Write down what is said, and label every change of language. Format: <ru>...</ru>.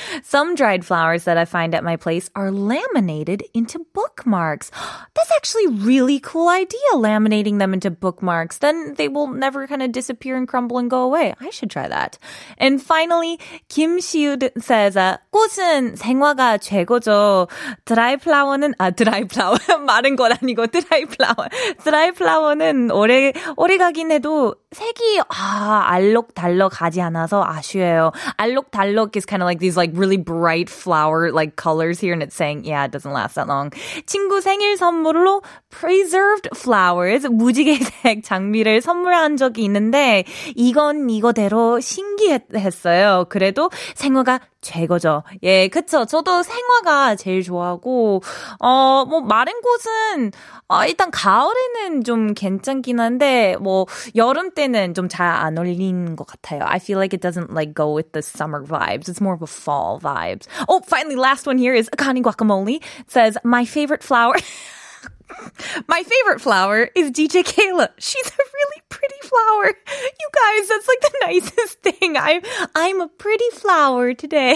<en>Some dried flowers that I find at my place are laminated into bookmarks. That's actually a really cool idea, laminating them into bookmarks. Then they will never kind of disappear and crumble and go away. I should try that. And finally, Kim Siu says,</en> <ko>꽃은 생화가 최고죠.</ko> <en>Dry flower는, 아, dry flower.</en> <ko>마른 것 아니고, dry flower. Dry flower는 오래 가긴 해도 색이, 아, 알록달록 하지 않아서 아쉬워요.</ko> <en>알록달록 is kind of like these like really bright flower like colors here, and it's saying, yeah, it doesn't last that long.</en> <ko>친구 생일 선물로 preserved flowers, 무지개색 장미를 선물한 적이 있는데, 이건 이거대로 신기했어요. 그래도 생화 최고죠. 예, 그쵸. 저도 생화가 제일 좋아하고, 뭐, 마른 꽃은, 일단 가을에는 좀 괜찮긴 한데, 뭐, 여름 때는 좀 잘 안 어울리는 것 같아요.</ko> <en>I feel like it doesn't like go with the summer vibes. It's more of a fall vibes. Oh, finally, last one here is Akani Guacamole. It says, my favorite flower. My favorite flower is DJ Kayla. She's a really pretty flower. You guys, that's like the nicest thing. I'm a pretty flower today.</en>